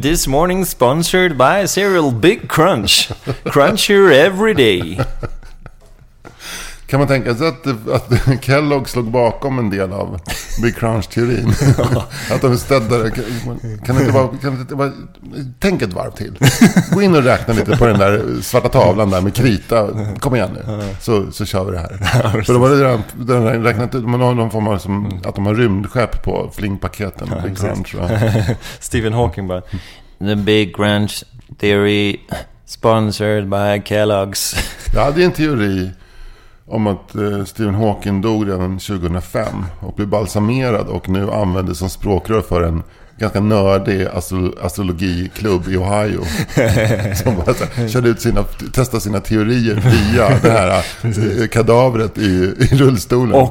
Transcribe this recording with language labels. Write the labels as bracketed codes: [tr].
[en] This morning sponsored by cereal Big Crunch. Crunch your every day. [sv] Kan man tänka sig att Kellogg slog bakom en del av Big Crunch-teorin? Att de stöddade. Kan inte bara tänk ett varv till. Gå in och räkna lite på den där svarta tavlan där med krita. Kom igen nu. Så kör vi det här. För de har redan räknat ut. Man har någon form av som att de har rymdskepp på flingpaketen. Big Crunch, va? Stephen Hawking bara. [en] The Big Crunch Theory sponsored by Kellogg's. [sv] Ja, det är en teori om att Stephen Hawking dog redan 2005 och blev balsamerad och nu användes som språkrör för en ganska nördig astrologiklubb i Ohio som bara så här, testade sina teorier via det här kadavret i rullstolen.